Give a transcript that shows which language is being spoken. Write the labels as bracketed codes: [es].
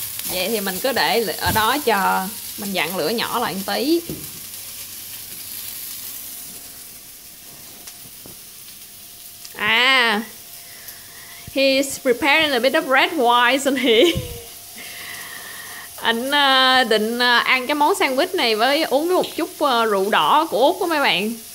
[vi] Vậy thì mình cứ để ở đó chờ. Mình dặn lửa nhỏ lại một tí. [en] À, he's preparing a bit of red wine, isn't he? [vi] Anh định ăn cái món sandwich này với uống với một chút rượu đỏ của Úc đó mấy bạn.